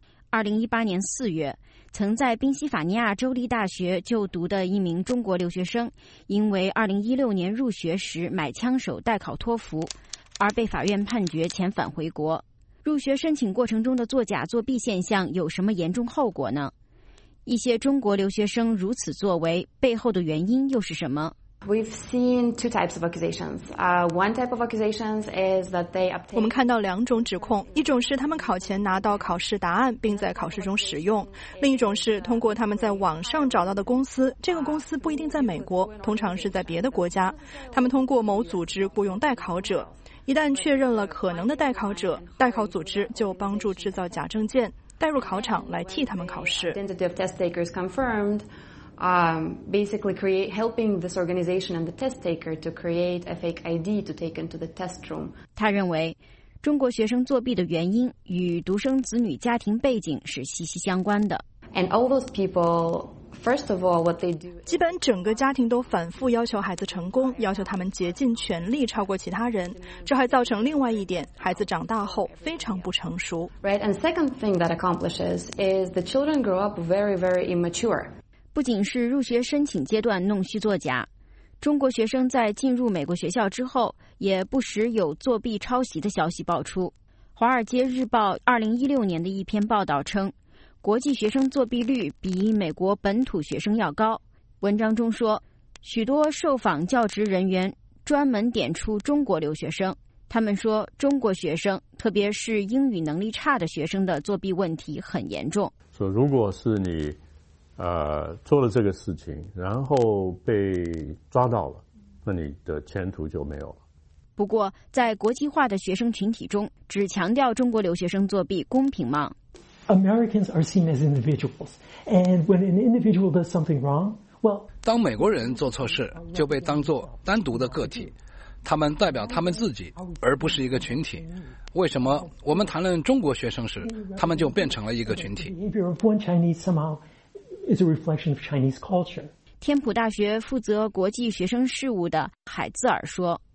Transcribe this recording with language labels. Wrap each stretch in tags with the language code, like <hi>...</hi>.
<zh>2018年4月，曾在宾夕法尼亚州立大学就读的一名中国留学生，因为2016年入学时买枪手代考托福，而被法院判决遣返回国。入学申请过程中的作假作弊现象有什么严重后果呢？一些中国留学生如此作为背后的原因又是什么？</zh> <en>We've seen two types of accusations. One type of accusations is that they obtain.</en> <zh>我们看到两种指控，一种是他们考前拿到考试答案并在考试中使用，另一种是通过他们在网上找到的公司，这个公司不一定在美国，通常是在别的国家，他们通过某组织雇佣代考者，一旦确认了可能的代考者，代考组织就帮助制造假证件，带入考场来替他们考试。</zh> <en>Identity of test takers confirmed, basically create helping this organization and the test taker to create a fake ID to take into the test room.</en> <zh>他认为，中国学生作弊的原因与独生子女家庭背景是息息相关的。</zh> <en>And all those people. First of all, what they do.</en> <zh>基本整个家庭都反复要求孩子成功，要求他们竭尽全力超过其他人。这还造成另外一点，孩子长大后非常不成熟。</zh> <en>Right, and second thing that accomplishes is the children grow up very, very immature.</en> <zh>不仅是入学申请阶段弄虚作假，中国学生在进入美国学校之后，也不时有作弊抄袭的消息爆出。 《华尔街日报》2016年的一篇报道称，国际学生作弊率比美国本土学生要高。文章中说，许多受访教职人员专门点出中国留学生，他们说中国学生特别是英语能力差的学生的作弊问题很严重。说如果是你做了这个事情然后被抓到了，那你的前途就没有了。不过在国际化的学生群体中，只强调中国留学生作弊公平吗？</zh> <en>Americans are seen as individuals, and when an individual does something wrong, well,</en> <zh>当美国人做错事，就被当作单独的个体，他们代表他们自己，而不是一个群体。为什么我们谈论中国学生时，他们就变成了一个群体？</zh> <en>The behavior of one Chinese somehow is a reflection of Chinese culture.</en> <zh>天普大学负责国际学生事务的海兹尔说。</zh>